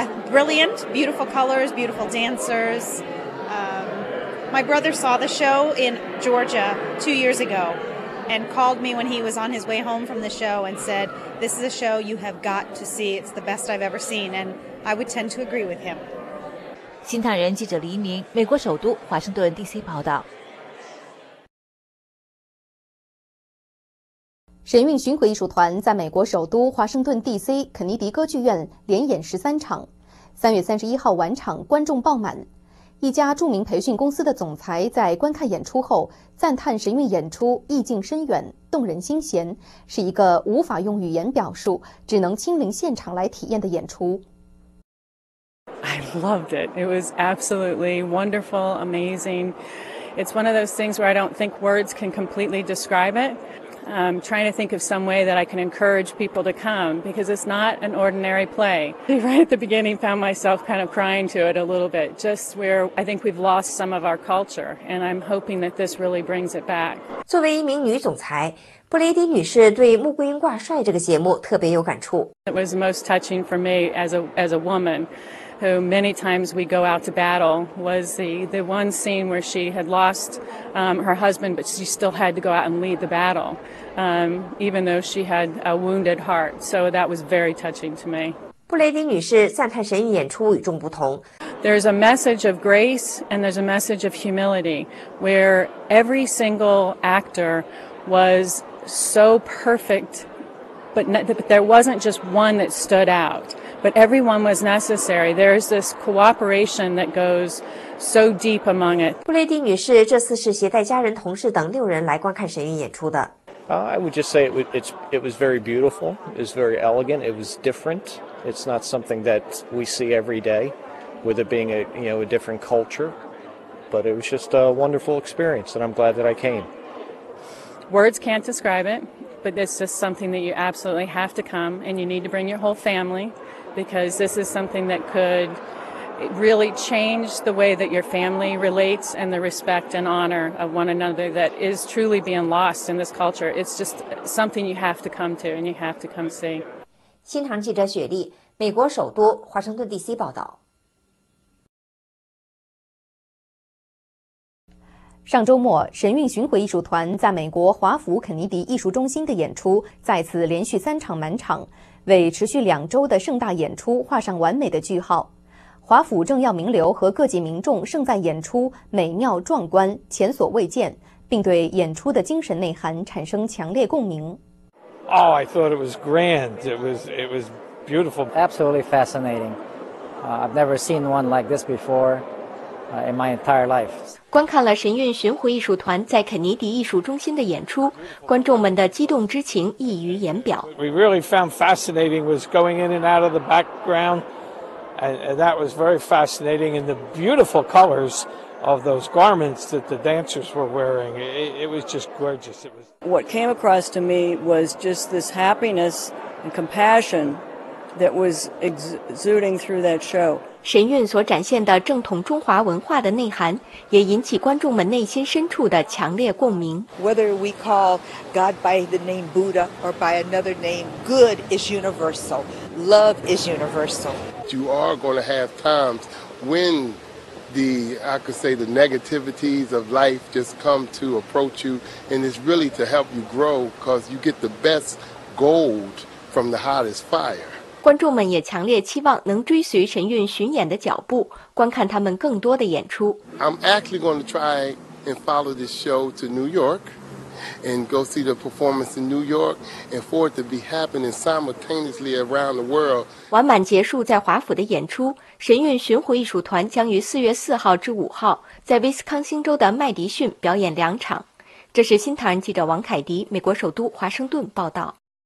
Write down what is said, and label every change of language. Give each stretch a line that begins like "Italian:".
English: Brilliant, beautiful colors, beautiful dancers. My brother saw the show in Georgia 2 years ago and called me when he was on his way home from the show and said, this is a show you have got to see. It's the best I've ever seen. And I would tend to agree with him.
Chinese: 新唐人记者黎明，美国首都华盛顿 DC 报道。神韵巡回艺术团在美国首都华盛顿 DC 肯尼迪歌剧院连演13场，3月31号晚场观众爆满。一家著名培训公司的总裁在观看演出后赞叹神韵演出意境深远，动人心弦，是一个无法用语言表述，只能亲临现场来体验的演出。
English: I loved it. It was absolutely wonderful, amazing. It's one of those things where I don't think words can completely describe it. I'm trying to think of some way that I can encourage people to come because it's not an ordinary play. Right at the beginning, found myself kind of crying to it a little bit, just where I think we've lost some of our culture, and I'm hoping that this really brings it back.
Chinese: 作为一名女总裁，布雷迪女士对《穆桂英挂帅》这个节目特别有感触。
English: It was most touching for me as a woman. Who many times we go out to battle was the one scene where she had lost her husband, but she still had to go out and lead the battle, even though she had a wounded heart. So that was very touching to me.
Chinese: 布雷迪女士赞叹神韵演出与众不同。
English: There's a message of grace and there's a message of humility, where every single actor was so perfect, but there wasn't just one that stood out. But everyone was necessary. There is this cooperation that goes so deep among it.
Chinese: 布雷迪女士这次是携带家人、同事等六人来观看神韵演出的。
English: I would just say it was very beautiful. It was very elegant. It was different. It's not something that we see every day, with it being a different culture. But it was just a wonderful experience, and I'm glad that I came. Words can't describe it, but it's just something that you absolutely have to come, and you need to bring your whole family. Because this is something that could really change the way that your family relates and the respect and honor of one another that is truly being lost in this culture. It's just something you have to come to and you have to come see.
Chinese: 新唐记者雪莉，美国首都华盛顿 DC 报道。上周末，神韵巡回艺术团在美国华府肯尼迪艺术中心的演出再次连续三场满场，为持续两周的盛大演出画上完美的句号。华府政要名流和各界民众盛赞演出美妙壮观，前所未见，并对演出的精神内涵产生强烈共鸣。
English: Oh, I thought it was grand. It was beautiful. Absolutely fascinating. I've never seen one like this before. In my entire life.
Chinese: 观看了神韵巡回艺术团在肯尼迪艺术中心的演出，观众们的激动之情溢于言表。
English: We really found fascinating was going in and out of the background, and that was very fascinating. And the beautiful colors of those garments that the dancers were wearing, it was just gorgeous. It was. What came across to me was just this happiness and compassion that was exuding through that show.
Chinese: 神韵所展现的正统中华文化的内涵，也引起观众们内心深处的强烈共鸣。
English: Whether we call God by the name Buddha or by another name, good is universal. Love is universal. You are going to have times when the negativities of life just come to approach you, and it's really to help you grow because you get the best gold from the hottest fire.
Chinese: 观众们也强烈期望能追随神韵巡演的脚步，观看他们更多的演出。
English: I'm actually going to try and follow this show to New York and go see the performance in New York and for it to be happening simultaneously around the world.
Chinese: 完满结束在华府的演出，神韵巡回艺术团将于4月4号至5号在威斯康星州的麦迪逊表演两场。这是新唐人记者王凯迪，美国首都华盛顿报道。